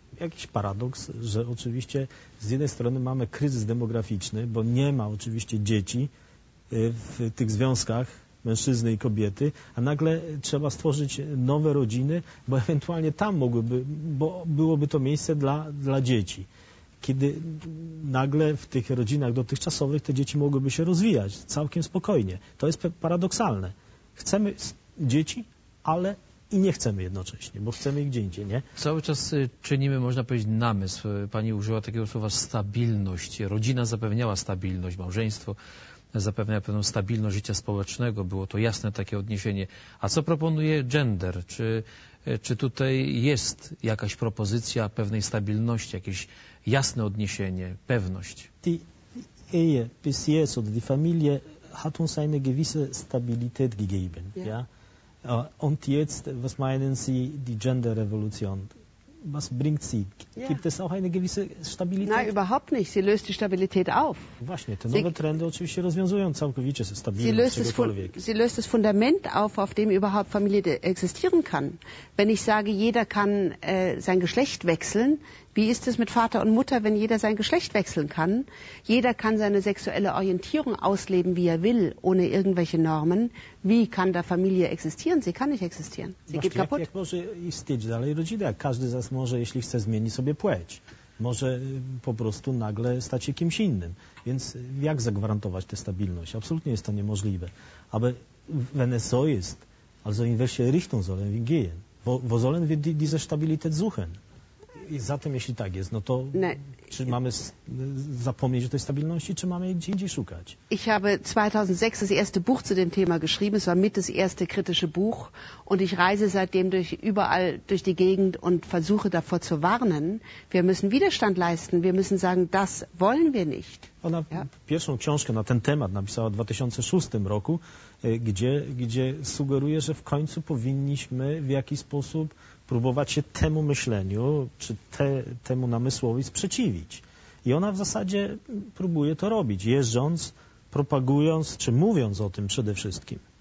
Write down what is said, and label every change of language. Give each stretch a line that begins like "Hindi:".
Polish: Jakiś paradoks, że oczywiście z jednej strony mamy kryzys demograficzny, bo nie ma oczywiście dzieci w tych związkach mężczyzny i kobiety, a nagle trzeba stworzyć nowe rodziny, bo ewentualnie tam mogłyby, bo byłoby to miejsce dla dzieci. Kiedy nagle w tych rodzinach dotychczasowych te dzieci mogłyby się rozwijać całkiem spokojnie. To jest paradoksalne. Chcemy dzieci, ale i nie chcemy jednocześnie, bo chcemy ich gdzie indziej, nie? Cały czas czynimy, można powiedzieć, namysł. Pani użyła takiego słowa stabilność. Rodzina zapewniała stabilność, małżeństwo zapewniała pewną stabilność życia społecznego. Było to jasne takie odniesienie. A co proponuje gender? Czy tutaj jest jakaś propozycja pewnej stabilności, jakieś jasne odniesienie, pewność?
German: Die Ehe bis jetzt oder die Familie hat uns eine gewisse Stabilität gegeben. Ja. Und jetzt, was meinen Sie, die Gender-Revolution? Was bringt sie? Gibt es auch eine gewisse Stabilität? Nein, überhaupt nicht. Sie löst die Stabilität auf.
Polish: Właśnie, te nowe trendy oczywiście rozwiązują całkowicie stabilność czegokolwiek.
German: Sie löst das Fundament auf dem überhaupt Familie existieren kann. Wenn ich sage, jeder kann sein Geschlecht wechseln, wie ist es mit Vater und Mutter, wenn jeder sein Geschlecht wechseln kann? Jeder kann seine sexuelle Orientierung ausleben, wie er will, ohne irgendwelche Normen. Wie kann da Familie existieren? Sie kann nicht existieren. Sie geht kaputt.
Polish: Jak może istnieć dalej rodzina? Każdy z nas może, jeśli chce, zmienić sobie płeć. Może po prostu nagle stać się kimś innym. Więc jak zagwarantować tę stabilność? Absolutnie jest to niemożliwe.
German: Aber wenn es so ist, also in welche Richtung sollen wir gehen? Wo sollen wir diese Stabilität suchen?
Polish: I zatem, jeśli tak jest, no to czy mamy zapomnieć o tej stabilności, czy mamy gdzie indziej szukać?
German: Ich habe 2006 das erste Buch zu dem Thema geschrieben. Es war mit das erste kritische Buch. Und ich reise seitdem überall durch die Gegend und versuche davor zu warnen. Wir müssen Widerstand leisten. Wir müssen sagen, das wollen wir nicht.
Polish: Ona pierwszą książkę na ten temat napisała w 2006 roku, gdzie sugeruje, że w końcu powinniśmy w jakiś sposób próbować się temu myśleniu, czy temu namysłowi sprzeciwić. I ona w zasadzie próbuje to robić, jeżdżąc, propagując, czy mówiąc o tym przede wszystkim.